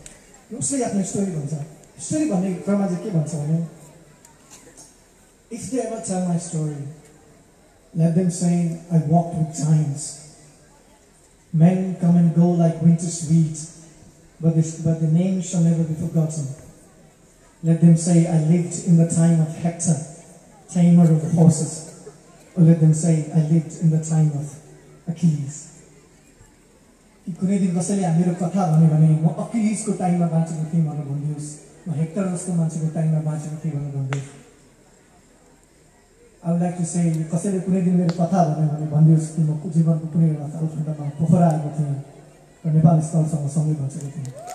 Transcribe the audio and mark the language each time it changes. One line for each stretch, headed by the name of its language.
Nepali: उसले आफ्नो स्टोरी भन्छ। स्टोरी भन्ने क्रममा चाहिँ के भन्छ भने
English: If they ever tell my story let them say I walked with giants, men come and go like winters wheat but this but the name shall never be forgotten. Let them say I lived in the time of Hector, tamer of horses, or let them say I lived in the time of Achilles.
Nepali: कि कुनै दिन कसैले हामीहरू कथा भन्यो भने म अकिलिजको टाइममा बाँचेको थिएँ भनेर भनिदियोस्, म हेक्टर जस्तो मान्छेको टाइममा बाँचेको थिएँ भनेर भनिदियोस्।
English: I would like to say
Nepali: कसैले कुनै दिन मेरो कथा भन्यो भने भनिदियोस् कि म जीवनको कुनै एउटा कालखण्डमा पोखरा आएको थिएँ र नेपाल स्काउटसँग सँगै बसेको थिएँ।